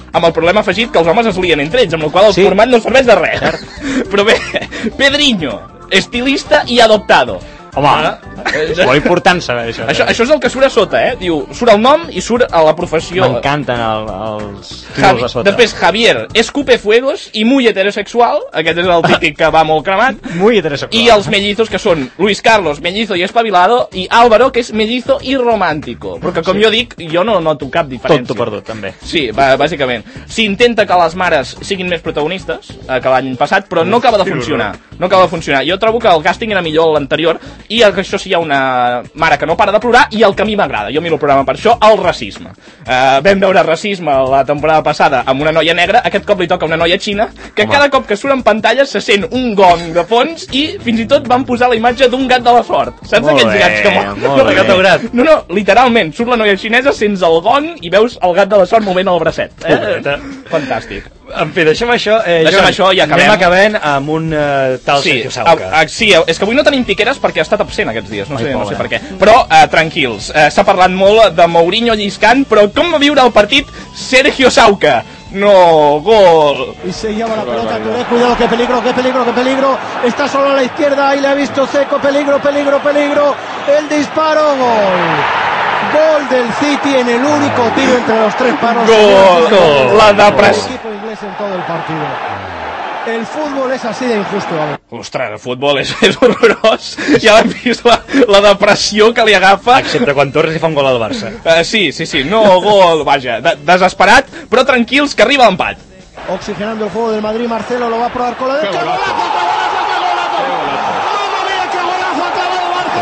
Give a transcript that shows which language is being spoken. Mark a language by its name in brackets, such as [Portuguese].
[Catalan] Amb el problema afegit que els homes es lien entre ells, amb el qual el format no serveix de res. Cert. Però bé, Pedriño, estilista i adoptado. Home, és molt important saber això. Això és el que surt a sota, eh? Diu, surt el nom i surt a la professió. M'encanten els títols de sota. Després, Javier, [Spanish] escupe fuegos [Catalan] i [Spanish] muy heterosexual. [Catalan] Aquest és el típic que va molt cremat. [Spanish] Muy heterosexual. [Catalan] I els mellizos, que són Luis Carlos, mellizo i espavilado, i Álvaro, que és mellizo i romántico. Perquè, com jo dic, jo no noto cap diferència. Tonto perdut, també. Sí, bàsicament. S'intenta que les mares siguin més protagonistes que l'any passat, però no acaba de funcionar. No acaba de funcionar. Jo trobo que el càsting era millor l'anterior, i això sí, hi ha una mare que no para de plorar, i el que a mi m'agrada, jo miro el programa per això, el racisme. Vam veure racisme la temporada passada amb una noia negra, aquest cop li toca una noia xina, que cada cop que surt en pantalla se sent un gong de fons i fins i tot van posar la imatge d'un gat de la sort. Saps molt aquests bé, gats que m'han... No, literalment, surt la noia xinesa, sents el gong i veus el gat de la sort movent el bracet. Fantàstic. En fi, deixem això, deixem això i acabem. Anem acabant amb un tal sí, Sergio Sauca. Sí, és que avui no tenim Piqueras perquè ha estat absent aquests dies, no, ai, sé, no sé per què. Però tranquils, s'ha parlat molt de Mourinho lliscant, però com va viure el partit Sergio Sauca? No, gol. [Spanish] Y se lleva la pelota, cuidado, qué peligro, qué peligro, qué peligro. Está solo a la izquierda y le ha visto Zeko, peligro, peligro, peligro. El disparo, gol. Gol del City en el único tiro entre los tres palos. Gol, gol. La de pres. El equipo inglés en todo el partido. El fútbol es así de injusto. [Catalan] Ostres, el fútbol es horrorós. Ya l'hem vist, la depressió que li agafa. Excepte quan Torres hi fa un gol al Barça. Sí, sí, sí. No, gol, vaja. Desesperat, però tranquils, que arriba l'empat. [Spanish] Oxigenando el juego del Madrid, Marcelo lo va a probar con la derecha. ¡Qué golazo, qué golazo, qué golazo! ¡Mamma mia, qué golazo acaba el Barça!